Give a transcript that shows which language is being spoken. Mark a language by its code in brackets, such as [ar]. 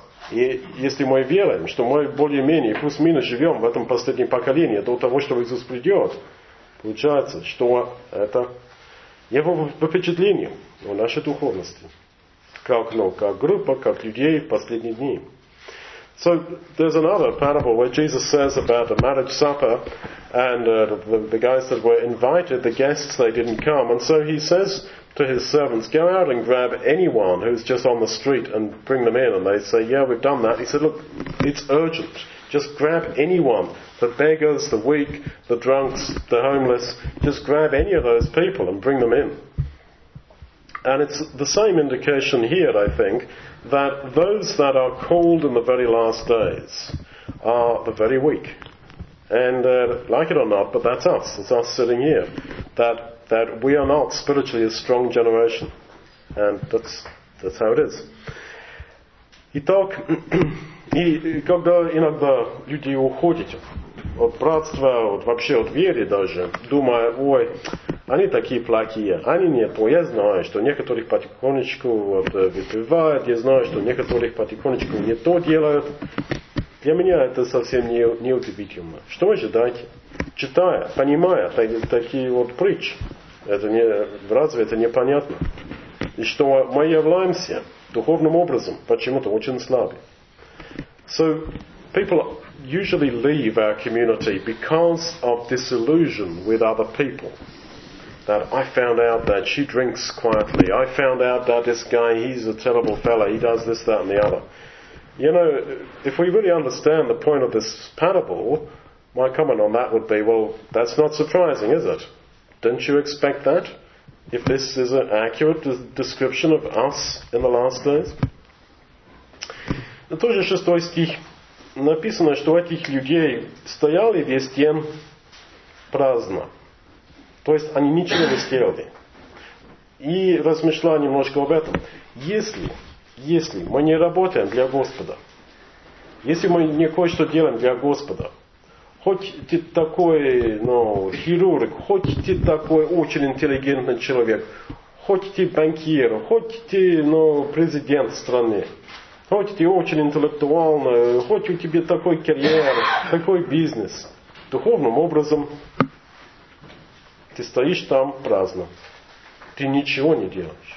[ru] И если мы верим, что мы более-менее, плюс-минус живем в этом последнем поколении до того, что Иисус придет, получается, что это Его впечатление о нашей духовности. Как, ну, как группа, как людей в последние дни. [en] So, there's another parable where Jesus says about a marriage supper and the guys that were invited, the guests, they didn't come. And so he says to his servants, go out and grab anyone who's just on the street and bring them in. And they say, yeah, we've done that. He said, look, it's urgent. Just grab anyone, the beggars, the weak, the drunks, the homeless. Just grab any of those people and bring them in. And it's the same indication here, I think, that those that are called in the very last days are the very weak. And like it or not, but that's us. It's us sitting here. That we are not spiritually a strong generation. And that's how it is. [ru] Итак, и когда иногда люди уходят от братства, от вообще от веры даже, думая, ой, они такие плохие, они не по, я знаю, что некоторых потихонечку вот, выпивают, я знаю, что некоторых потихонечку не то делают. Для меня это совсем не удивительно. Что ожидать? Читая, понимая такие вот притчи, это не, разве это непонятно? И что мы являемся духовным образом почему-то очень слабы. [en] So, people usually leave our community because of disillusion with other people. That I found out that she drinks quietly. I found out that this guy, he's a terrible fella. He does this, that, and the other. You know, if we really understand the point of this parable, my comment on that would be, well, that's not surprising, is it? Didn't you expect that? If this is an accurate description of us in the last days? [ru] На тоже шестой стих написано, что этих людей стояли весь день праздно. То есть они ничего не сделали. И размышляя немножко об этом. Если мы не работаем для Господа, если мы не кое-что делаем для Господа, хоть ты такой, ну, хирург, хоть ты такой очень интеллигентный человек, хоть ты банкир, хоть ты, ну, президент страны, хоть ты очень интеллектуальный, хоть у тебя такой карьера, такой бизнес, духовным образом ты стоишь там праздно. Ты ничего не делаешь.